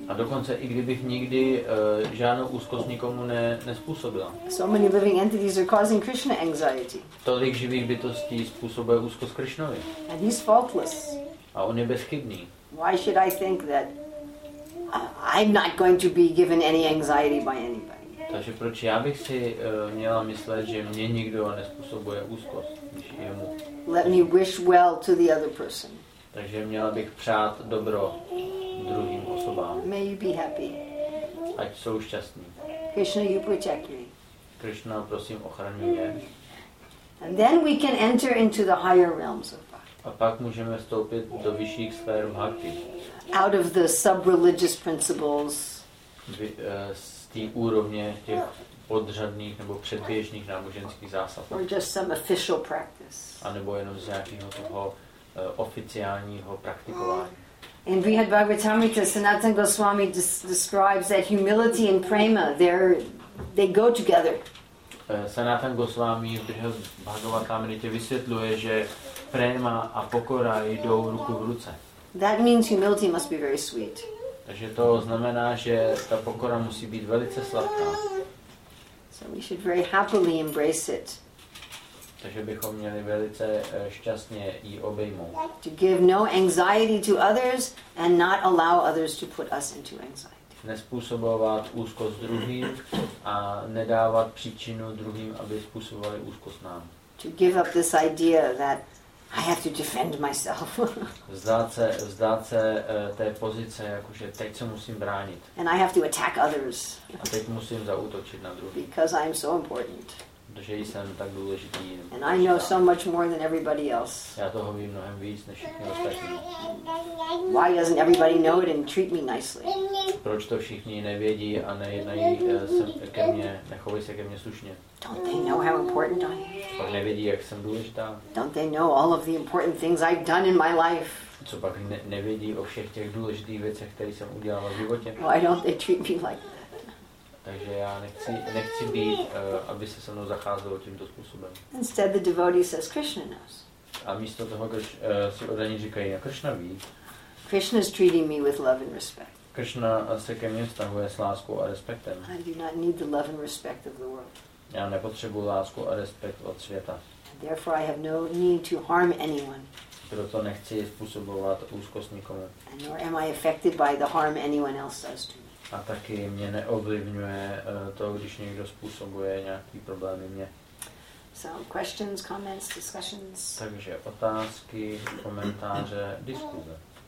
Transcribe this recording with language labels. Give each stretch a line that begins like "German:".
Czech: A dokonce i kdybych nikdy žádnou úzkost nikomu nespůsobila.
English: So many living entities are causing Krishna anxiety.
Czech: Tolik živých bytostí způsobuje úzkost Krishnovi.
English: And he's faultless.
Czech: A on je bezchybný.
English: Why should I think that I'm not going to be given any anxiety by anybody?
Czech: Takže proč já bych si měla myslet, že mě nikdo nespůsobuje úzkost, když jemu?
English: Let me wish well to the other person.
Czech: Takže měla bych přát dobro druhým osobám.
English: May you be happy.
Czech: Ať jsou šťastní.
English: Krishna, you protect me.
Czech: Krishna, prosím, ochraňuj mě.
English: And then we can enter into the higher realms of bhakti.
Czech: A pak můžeme vstoupit do vyšších sfér bhakti.
English: Out of the sub-religious principles.
Czech: Z té úrovně těch podřadných nebo předběžných náboženských zásad.
English: Or just some official practice.
Czech: A nebo jenom z nějakého toho oficiálního praktikování.
English: In Brihad Bhagavatamrita, Sanatana Goswami describes that humility and prema, they go together.
Czech: Sanatana Goswami v Brihad Bhagavatamrita vysvětluje, že prema a pokora jdou ruku v ruce.
English: That means humility must be very sweet.
Czech: Takže to znamená, že ta pokora musí být velice sladká.
English: So we should very happily embrace it.
Czech: Takže bychom měli velice šťastně ji obejmout.
English: To give no anxiety to others and not allow others to put us into anxiety.
Czech: Nezpůsobovat úzkost druhým a nedávat příčinu druhým, aby způsobovali úzkost nám.
English: to give up this idea that I have to defend myself.
Czech: Vzdát se té pozice, jakože teď se musím bránit.
English: And I have to attack others.
Czech: A teď musím zaútočit na druhé.
English: Because I am so important.
Czech: Protože jsem tak důležitý.
English: And I know so much more than everybody else.
Czech: Já toho vím mnohem víc než všichni ostatní.
English: Why doesn't everybody know it and treat me nicely?
Czech: Proč to všichni nevědí a nejednají se ke mně, nechovají se ke mně slušně?
English: Don't they know how important I am?
Czech: Pak nevědí, jak jsem důležitá?
English: Don't they know all of the important things I've done in my life?
Czech: Co pak nevědí o všech těch důležitých věcech, které jsem udělala v životě?
English: Why don't they treat me like that?
Czech: Takže já nechci být, aby se se mnou zacházelo tímto způsobem.
English: Instead the devotee says Krishna knows.
Czech: A místo toho, když si oddaní říkají, a Krishna ví.
English: Krishna is treating me with love and respect.
Czech: Krishna se ke mně vztahuje s láskou a respektem.
English: I do not need the love and respect of the world.
Czech: Já nepotřebuji lásku a respekt od světa.
English: Therefore I have no need to harm anyone.
Czech: Proto nechci způsobovat úzkost nikomu.
English: And nor am I affected by the harm anyone else does to me.
Czech: A taky mě neovlivňuje to, když někdo způsobuje nějaký problémy mě.
English: So, questions, comments, discussions.
Czech: Takže otázky, komentáře, diskuze.